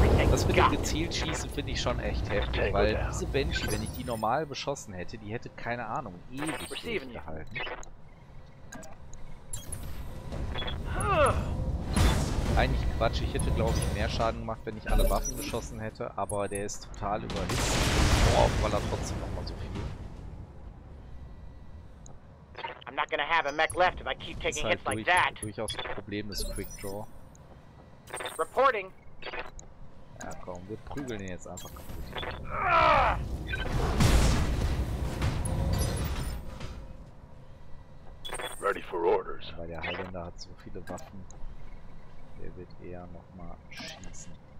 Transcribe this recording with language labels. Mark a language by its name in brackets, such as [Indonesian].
[German] Das mit dem gezielt schießen finde ich schon echt heftig, weil diese Banshee, wenn ich die normal beschossen hätte, die hätte keine Ahnung, ewig gehalten. Eigentlich Quatsch, ich hätte glaube ich mehr Schaden gemacht, wenn ich alle Waffen geschossen hätte, aber der ist total überhitzt. Boah, weil er trotzdem nochmal so viel. [English] I'm not gonna have a mech left if I keep taking [German] halt [English] hits like that. [German] Durchaus ein Problem ist Quick Draw. [English] Reporting. [German] Ja komm, wir prügeln ihn jetzt einfach kaputt. [English] Ready for orders. [German] Weil der Highlander hat so viele Waffen. Der wird eher nochmal schießen.